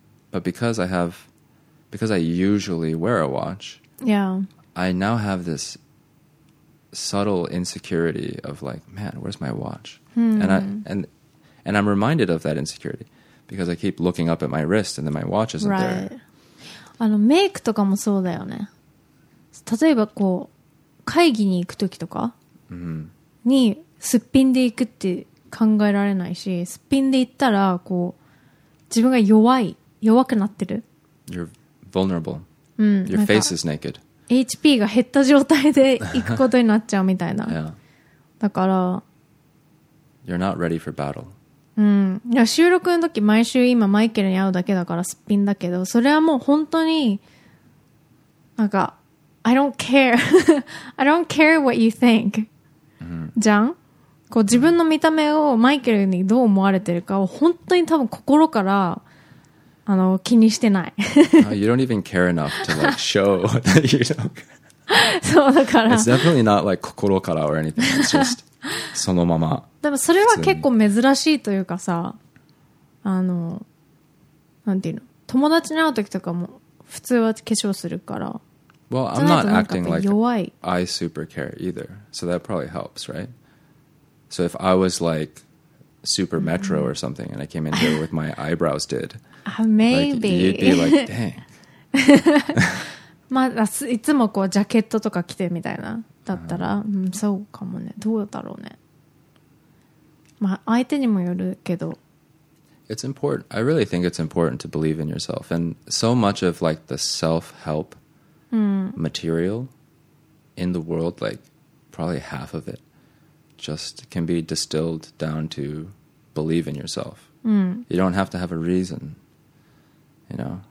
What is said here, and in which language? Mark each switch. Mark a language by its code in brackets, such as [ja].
[en] But because I usually wear a watch, yeah. I now have this subtle insecurity of like, man, where's my watch? And I'm reminded of that insecurity because I keep looking up at my wrist and then my watch isn't right. there. [ja] あのメイクとかもそうだよね。例えばこう会議に行くときとかにすっぴんで行くって考えられないし、すっぴんで行ったらこう自分が弱くなってる。 [en] You're vulnerable. Your face is naked. [ja] HP が減った状態で行くことになっちゃうみたいな。 [en] yeah. [ja] だから [en] You're not ready for battle. [ja] いや収録の時毎週今マイケルに会うだけだからすっぴんだけど、それはもう本当になんか [en] I don't care I don't care what you think、 [ja] じゃん。こう自分の見た目をマイケルにどう思われてるかを本当に多分心からあの気にしてない [en] 、you don't even care enough to like show that you don't [ja] そうだから [en] It's definitely not like 心から or anything. It's just そのまま [ja] でもそれは結構珍しいというかさ、あのなんていうの、友達に会う時とかも普通は化粧するから。 [en] Well, I'm not acting like I super care either, so that probably helps, right? So if I was like Super Metro or something, and I came in here with my eyebrows did. Maybe. Like, you'd be like, dang. [ja] まあ、いつもこうジャケットとか着てみたいなだったら、うん、そうかもね。どうだろうね。まあ、相手にもよるけど。 [en] It's important. I really think it's important to believe in yourself. And so much of like the self-help material in the world, like probably half of it, just can be distilled down to believe in yourself. You don't have to have a reason, you know?